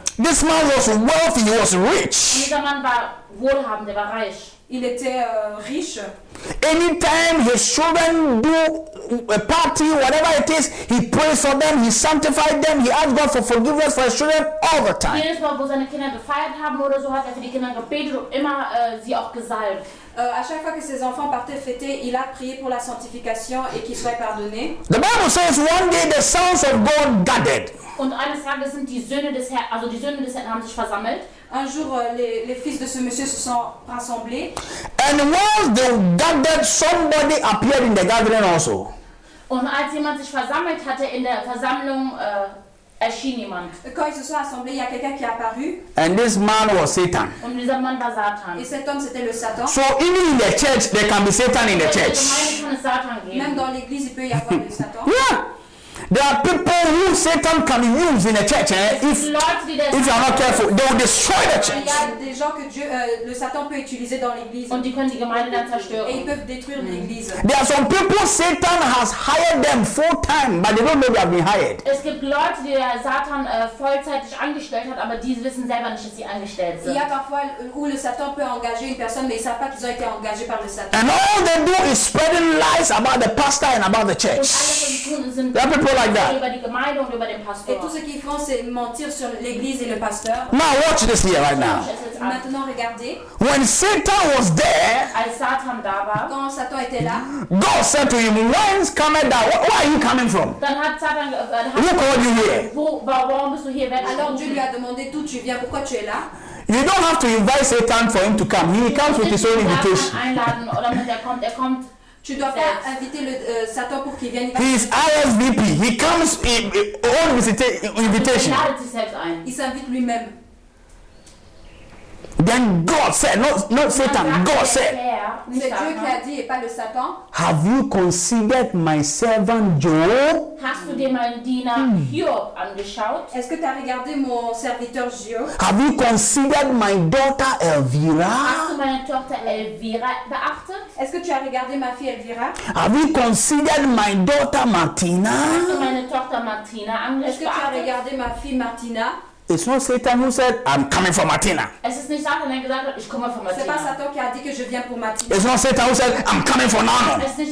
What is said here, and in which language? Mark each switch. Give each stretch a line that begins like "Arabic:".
English: This man was wealthy, he was rich.
German: Dieser Mann war wohlhabend, er war reich.
French: Il était riche.
English: Anytime his children do a party, whatever it is, he prays for them, he sanctified them, he asked God for forgiveness for his children all the time.
German: Jedes Mal, wo seine Kinder gefeiert haben oder so, hat er für die Kinder gebetet und immer sie auch gesalbt.
French: À chaque fois que ses enfants partaient fêter, il a prié pour la sanctification et qu'ils soient pardonnés.
English: The Bible says one day the sons of God gathered.
German: Und eines Tages sind die Söhne des Herrn, also die Söhne des Herrn haben sich versammelt.
French: Un jour les fils de ce monsieur se sont rassemblés.
English: And while they gathered, somebody appeared in the gathering also.
German: Und als jemand sich versammelt hatte in der Versammlung erschien jemand.
French: Quand ils se sont assemblés, il y a quelqu'un qui est apparu.
English: And this man was Satan.
German: Und dieser Mann war Satan.
French: Et cet homme c'était le Satan.
English: So even in the church there can be Satan in the church.
French: Même dans l'église il peut y avoir le Satan.
English: Yeah. There are people who Satan can use in a church, eh? If you are not careful, they will destroy the church.
French: Il y a des gens que Dieu, le Satan peut utiliser dans l'église.
German: Und die können die Gemeinde dann zerstören.
French: Et ils peuvent détruire l'église.
English: There are some people Satan has hired them full time, but they don't know they have been hired.
German: Es gibt Leute, die Satan vollzeitig angestellt hat, aber die wissen selber nicht, dass sie angestellt sind.
French: Il y a parfois où le Satan peut engager une personne, mais ils savent pas qu'ils ont été engagés par le Satan.
English: And all they do is spreading lies about the pastor and about the church.
German: Und alle, was sie tun, sind
English: people like that.
French: Et tout ce qu'ils font, c'est mentir sur l'église et le pasteur.
English: Now watch this here right now.
French: Maintenant regardez.
English: When Satan was there,
French: quand Satan était là,
English: God said to him, "Whence cometh thou? Where are you coming from? Who called you here?"
French: Alors Dieu lui a demandé, d'où tu viens? Pourquoi tu es là?
English: You don't have to invite Satan for him to come. He comes with his own invitation.
French: Tu dois pas inviter le Satan pour qu'il vienne.
English: He's RSVP. He comes on invitation.
French: Il s'invite lui-même.
English: Then God said, not Satan, God said.
French: C'est Dieu qui a dit et pas le Satan.
English: Have you considered my servant Job?
German: Hast du demandina Job angeschaut?
French: Est-ce que tu as regardé mon serviteur Job?
English: Have you considered my daughter Elvira?
German: Hast du meine Tochter Elvira beachtet?
French: Est-ce que tu as regardé ma fille Elvira?
English: Have you considered my daughter Martina?
German: Hast du meine Tochter Martina angeschaut?
French: Est-ce que tu as regardé ma fille Martina?
English: It's not Satan who said, "I'm coming for Martina."
French: C'est pas Satan qui a dit que je viens pour Martina.
English: It's not Satan who said, "I'm coming for Nanu."